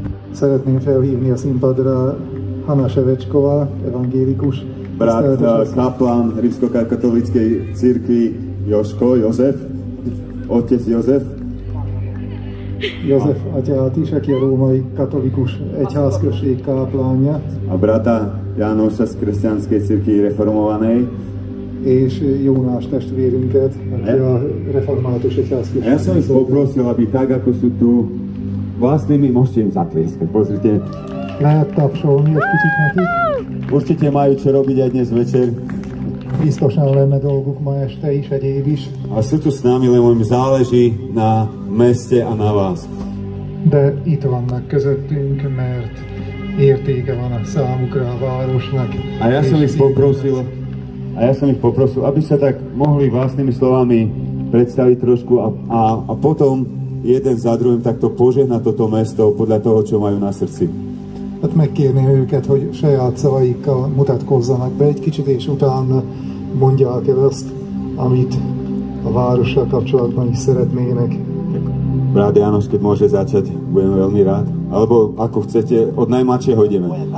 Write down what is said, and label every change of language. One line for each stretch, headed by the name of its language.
Hungarian: Szeretném felhívni a színpadra Hana Sevecskova, evangélikus.
Slovak: Brat kaplan rímskokatolickej cirkvi Jožko, Jozef, otec Jozef.
Hungarian: Jozef Atyátis, aki a római katolikus egyházközség káplánja.
Slovak: A brata Jánosa z kresťanskej cirkvi reformovanej.
Hungarian: És Jónás testvérünket, aki a református egyházközség.
Slovak: Ja som ich poprosil, aby tak, ako sú tu, vlastne mi môžete im zatlieskať. Pozrite.
Hungarian: Lehet tapsolni egy kicsit nekik.
Slovak: Určite majú čo robiť aj dnes večer.
Hungarian: Biztosan lenne dolguk ma este is, egyéb is.
Slovak: A sú tu s nami, lebo im záleží na meste a na vás.
Hungarian: De itt vannak közöttünk, mert értéke van a számukra a városnak.
Slovak: A ja som ich poprosil, aby sa tak mohli vlastnými slovami predstaviť trošku a potom jeden za druhým takto požehnať toto mesto podľa toho, čo majú na srdci.
Hungarian: Hát megkérném őket, hogy saját szavaikkal mutatkozzanak be egy kicsit, és utána mondják el azt, amit a várossal kapcsolatban is szeretnének.
Slovak: Brat János, keď môže začať, budem veľmi rád. Alebo ako chcete, od najmladšieho ideme.